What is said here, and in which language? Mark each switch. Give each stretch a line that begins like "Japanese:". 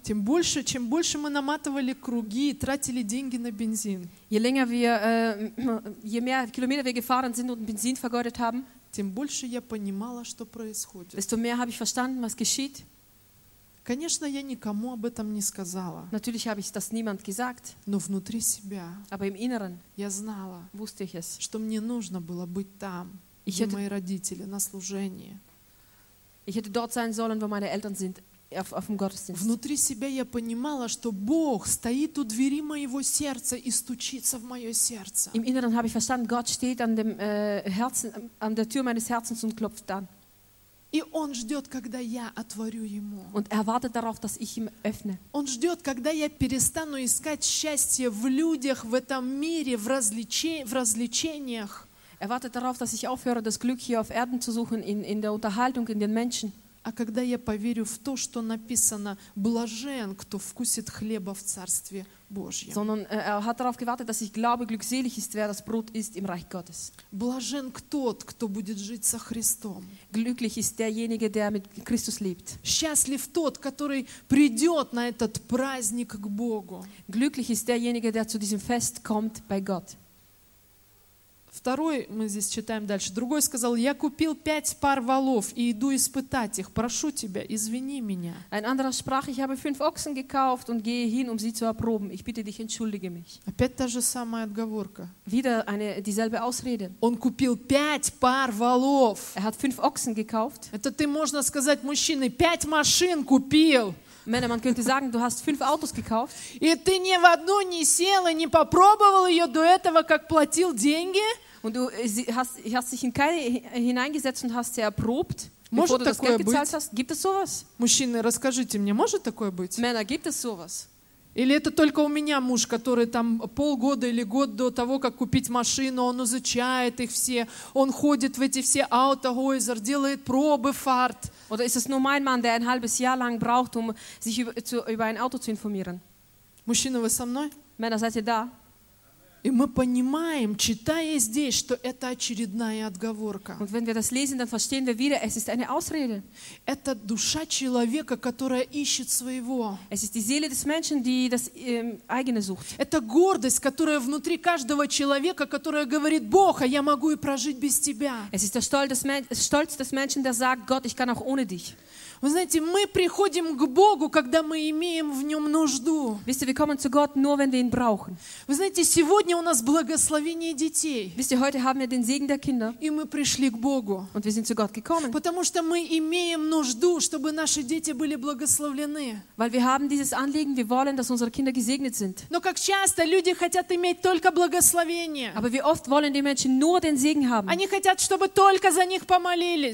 Russian: тем больше, чем больше мы наматывали круги и тратили деньги на бензин,
German: je mehr Kilometer wir gefahren sind und Benzin vergeudet haben,
Russian: тем больше я понимала, что происходит.
German: Desto mehr habe ich verstanden, was geschieht.
Russian: Конечно, я никому об этом не сказала.
German: Natürlich habe ich das niemand gesagt.
Russian: Но внутри себя.
German: Aber im Inneren.
Russian: Я знала.
German: Wusste ich es.
Russian: Что мне нужно было быть там,
German: ich
Russian: где
German: hätte...
Russian: мои родители на служении.
German: Ich hätte dort sein sollen, wo meine Eltern sind. Auf dem Gottesdienst.
Russian: Внутри себя я понимала, что Бог стоит у двери моего сердца и стучится в мое сердце.
German: Im Inneren habe ich verstanden, Gott steht an dem Herzen, an der Tür meines Herzens und klopft an.
Russian: И он ждет, когда я отворю ему.
German: Und er wartet darauf, dass ich ihm öffne.
Russian: Он ждет, когда я перестану искать счастье в людях, в этом мире, в развлечениях.
German: Er wartet darauf, dass ich aufhöre, das Glück hier auf Erden zu suchen, in der Unterhaltung, in den Menschen.
Russian: А когда я поверю в то, что написано: блажен, кто вкусит хлеба в Царстве Божьем.
German: Sondern er hat darauf gewartet, dass ich glaube, glückselig ist, wer das Brot isst im Reich Gottes.
Russian: Блажен тот, кто будет жить со Христом.
German: Glücklich ist derjenige, der mit Christus lebt.
Russian: Счастлив тот, который придет на этот праздник к Богу.
German: Glücklich ist derjenige, der zu diesem Fest kommt bei Gott.
Russian: Второй, мы здесь читаем дальше. Другой сказал: я купил 5 пар валов и иду испытать их. Прошу тебя, извини меня.
German: Ein anderer sprach: ich habe 5 Ochsen gekauft und gehe hin, um sie zu erproben. Ich bitte dich, entschuldige mich.
Russian: Опять та же самая отговорка.
German: Wieder eine dieselbe Ausrede.
Russian: Он купил 5 пар валов.
German: Er hat 5 Ochsen gekauft.
Russian: Это ты, можно сказать, мужчины, 5 машин купил.
German: Männer, man könnte sagen, du hast 5 Autos gekauft.
Russian: И ты ни в одну не сел и не попробовал ее до этого, как платил деньги.
German: Und du hast dich in keine hineingesetzt und hast sie erprobt,
Russian: может
German: bevor du das Geld gezahlt hast. Gibt es sowas?
Russian: Мужчины, расскажите мне, может такое быть?
German: Männer, gibt es sowas?
Russian: Или это только у меня муж, который там полгода или год до того, как купить машину, он изучает их все, он ходит в эти все Autohäuser, делает пробы фарт.
German: Oder ist es nur mein Mann, der ein halbes Jahr lang braucht, um sich über ein Auto zu informieren?
Russian: Мужчины, вы со мной?
German: Männer, seid ihr da?
Russian: И мы понимаем, читая здесь, что это очередная отговорка.
German: Und wenn wir das lesen, dann verstehen wir wieder, es ist eine Ausrede.
Russian: Это душа человека, которая ищет своего.
German: Es ist die Seele des Menschen, die das eigene sucht.
Russian: Это гордость, которая внутри каждого человека, которая говорит: Бог, а я могу и прожить без тебя.
German: Es ist der Stolz des Menschen, der sagt: Gott, ich kann auch ohne dich.
Russian: Вы знаете, мы приходим к Богу, когда мы имеем в нем нужду.
German: Wisst ihr, wir kommen zu Gott nur, wenn wir ihn brauchen.
Russian: Вы знаете, сегодня у нас благословение детей.
German: Wisst ihr, heute haben wir den Segen der Kinder.
Russian: И мы пришли к Богу.
German: Und wir sind zu Gott gekommen.
Russian: Потому что мы имеем нужду, чтобы наши дети были благословлены.
German: Weil wir haben dieses Anliegen, wir wollen, dass unsere Kinder gesegnet sind.
Russian: Но как часто люди хотят иметь только благословение.
German: Aber wie oft wollen die Menschen nur den Segen haben?
Russian: Они хотят, чтобы только за них помолились.